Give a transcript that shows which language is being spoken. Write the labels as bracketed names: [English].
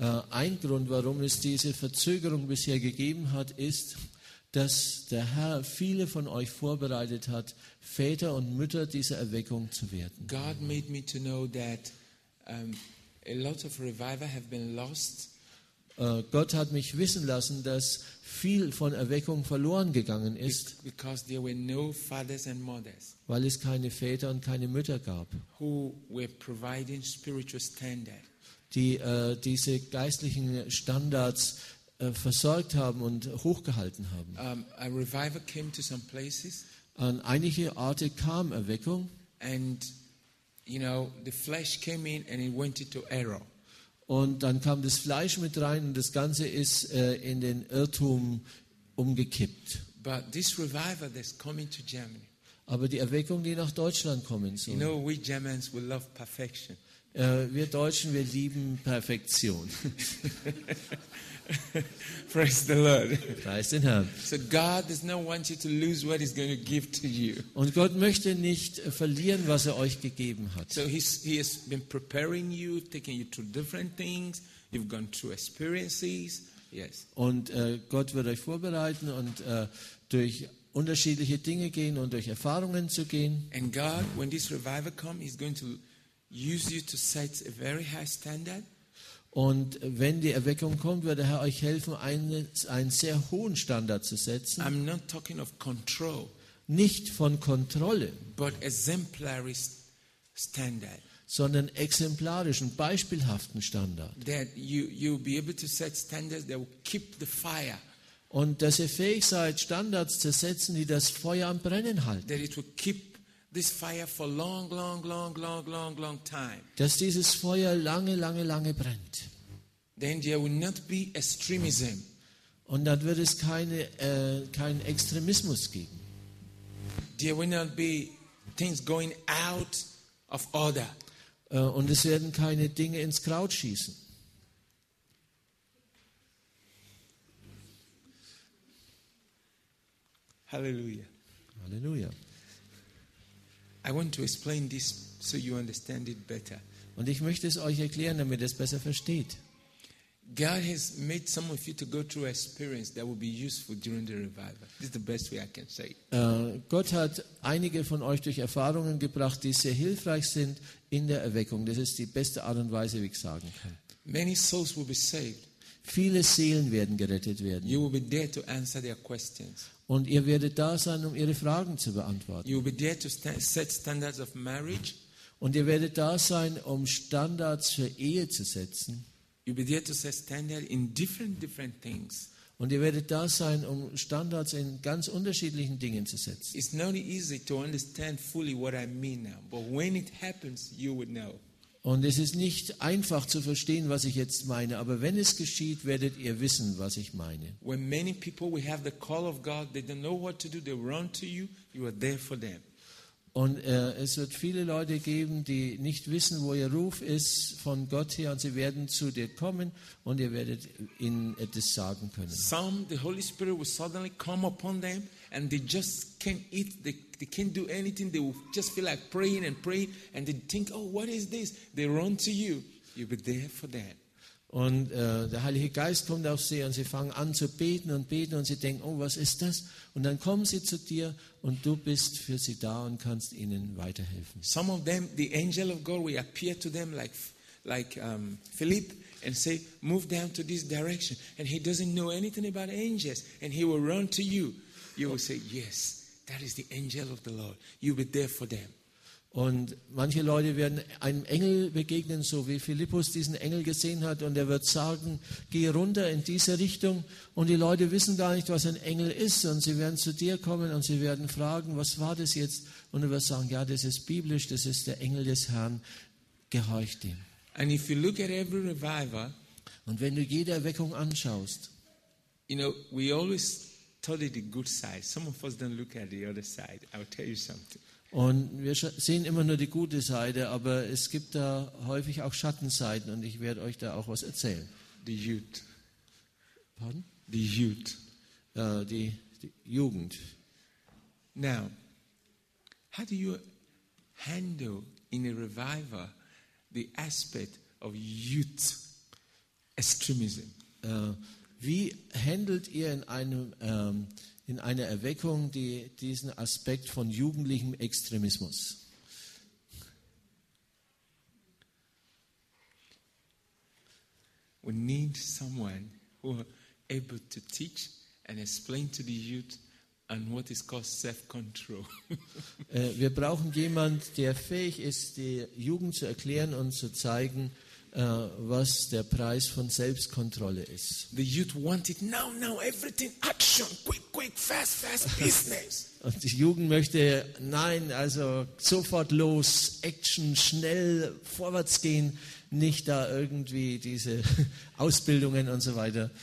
[German] Ein Grund, warum es diese Verzögerung bisher gegeben hat, ist, dass der Herr viele von euch vorbereitet hat, Väter und Mütter dieser Erweckung zu werden. [English] God made me to know that a lot of revival have been lost. [German] Gott hat mich wissen lassen, dass viel von Erweckung verloren gegangen ist, [English] because there were no fathers and mothers, [German] weil es keine Väter und keine Mütter gab, [English] who were providing spiritual standard, [German] die diese geistlichen Standards versorgt haben und hochgehalten haben. [English] A revival came to some places, [German] an einige Orte kam Erweckung, [English] and you know, the flesh came in and it went into error. [German] Und dann kam das Fleisch mit rein und das Ganze ist in den Irrtum umgekippt. [English] But this revival that's coming to Germany. [German] Aber die Erweckung, die nach Deutschland kommen soll. [English] You know, we Germans, we love perfection. [German] Wir Deutschen, wir lieben Perfektion. [English] Praise the Lord. [German] Preis den Herrn. [English] So God does not want you to lose what He's going to give to you. [German] Und Gott möchte nicht verlieren, was er euch gegeben hat. [English] So He has been preparing you, taking you through different things. You've gone through experiences. Yes. [German] Und Gott wird euch vorbereiten und durch unterschiedliche Dinge gehen und durch Erfahrungen zu gehen. [English] And God, when this revival comes, He's going to use you to set a very high standard. [German] Und wenn die Erweckung kommt, wird der Herr euch helfen, einen sehr hohen Standard zu setzen. [English] I'm not talking of control, [German] nicht von Kontrolle, [English] but exemplary standard, [German] sondern exemplarischen, beispielhaften Standard. [English] That you'll be able to set standards that will keep the fire. [German] Und dass ihr fähig seid, Standards zu setzen, die das Feuer am Brennen halten. [English] That it will keep this fire for long, long, long, long, long, long time. [German] Dass dieses Feuer lange, lange, lange brennt. [English] Then there will not be extremism. [German] Und dann wird es keinen Extremismus geben. [English] There will not be things going out of order. [German] Und es werden keine Dinge ins Kraut schießen. Halleluja. Halleluja. [English] I want to explain this so you understand it better. [German] Und ich möchte es euch erklären, damit ihr es besser versteht. [English] God has made some of you to go through experience that will be useful during the revival. This is the best way I can say it. [German] Gott hat einige von euch durch Erfahrungen gebracht, die sehr hilfreich sind in der Erweckung. Das ist die beste Art und Weise, wie ich sagen kann. [English] Many souls will be saved. [German] Viele Seelen werden gerettet werden. [English] You will be there to answer their questions. [German] Und ihr werdet da sein, um ihre Fragen zu beantworten. [English] You will be there to set standards of marriage. [German] Und ihr werdet da sein, um Standards für Ehe zu setzen. [English] You will be there to set standards in different things. [German] Und ihr werdet da sein, um Standards in ganz unterschiedlichen Dingen zu setzen. [English] It's not easy to understand fully what I mean now, but when it happens, you will know. [German] Und es ist nicht einfach zu verstehen, was ich jetzt meine, aber wenn es geschieht, werdet ihr wissen, was ich meine. [English] When many people we have the call of God, they don't know what to do, they run to you, you are there for them. [German] Und es wird viele Leute geben, die nicht wissen, wo ihr Ruf ist von Gott her, und sie werden zu dir kommen und ihr werdet ihnen etwas sagen können. [English] Some the Holy Spirit will suddenly come upon them and they just can't eat, they can't do anything, they will just feel like praying and they think, oh, what is this? They run to you, you'll be there for them. [German] Und der Heilige Geist kommt auf sie und sie fangen an zu beten und sie denken, oh, was ist das? Und dann kommen sie zu dir und du bist für sie da und kannst ihnen weiterhelfen. [English] Some of them, the angel of God will appear to them like Philip and say, move down to this direction. And he doesn't know anything about angels and he will run to you. You will say, yes, that is the angel of the Lord. You'll be there for them. [German] Und manche Leute werden einem Engel begegnen, so wie Philippus diesen Engel gesehen hat, und er wird sagen, geh runter in diese Richtung, und die Leute wissen gar nicht, was ein Engel ist, und sie werden zu dir kommen und sie werden fragen, was war das jetzt? Und du wirst sagen, ja, das ist biblisch, das ist der Engel des Herrn, gehorcht ihm. [English] And if you look at every revival, [German] und wenn du jede Erweckung anschaust, [English] you know, we always study the good side. Some of us don't look at the other side. I'll tell you something. [German] Und wir sehen immer nur die gute Seite, aber es gibt da häufig auch Schattenseiten und ich werde euch da auch was erzählen. [English] The youth. Pardon? The youth. [German] Die Jugend. [English] Now, how do you handle in a revival the aspect of youth extremism? [German] Wie handelt ihr in einem in einer Erweckung, die diesen Aspekt von jugendlichem Extremismus. [English] We need someone who is able to teach and explain to the youth on what is called self-control. [German] Wir brauchen jemand, der fähig ist, die Jugend zu erklären und zu zeigen, was der Preis von Selbstkontrolle ist. [English] The youth want it now, everything, action, quick, fast, business. [German] Und die Jugend möchte, nein, also sofort los, Action, schnell, vorwärts gehen, nicht da irgendwie diese Ausbildungen und so weiter.